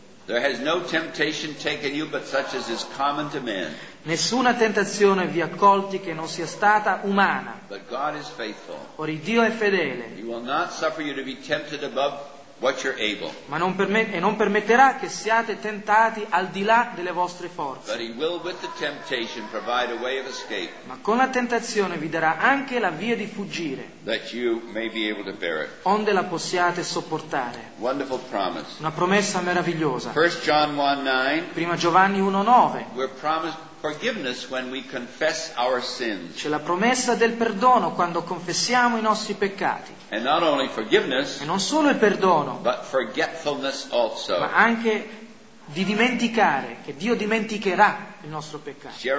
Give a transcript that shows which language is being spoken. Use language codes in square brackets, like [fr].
[en] There has no temptation taken you but such as is common to men. [it] Nessuna tentazione vi ha colti che non sia stata umana. [en] But God is faithful. [it] Ora Dio è fedele. [en] He will not suffer you to be tempted above what you're able. [it] Ma non non permetterà che siate tentati al di là delle vostre forze. [en] But he will with the temptation provide a way of escape. [it] Ma con la tentazione vi darà anche la via di fuggire. [en] That you may be able to bear it. [it] Onde la possiate sopportare. [en] Wonderful promise. [it] Una promessa meravigliosa. [en] 1 John 1:9. [it] Prima Giovanni 1:9. [en] We're promised forgiveness when we confess our sins. [it] C'è la promessa del perdono quando confessiamo i nostri peccati. [en] And not only forgiveness, [it] e non solo il perdono, [en] but forgetfulness also. [it] Ma anche di dimenticare, che Dio dimenticherà il nostro peccato.